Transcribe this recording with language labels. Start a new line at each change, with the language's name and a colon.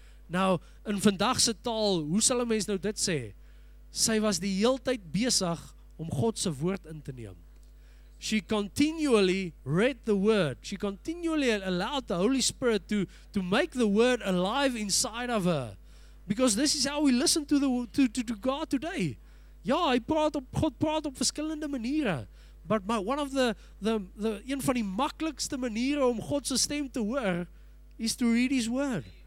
Afrikaans: Nou, in vandagse taal, hoe sal een mens nou dit sê? Sy was die heel tyd besig om God se woord in te neem.
English: She continually read the word. She continually allowed the Holy Spirit to make the word alive inside of her. Because this is how we listen to God today.
Afrikaans: Ja, God praat op verskillende maniere.
English: But
Afrikaans: een van die maklikste maniere om God se stem te hoor is
English: to read his word.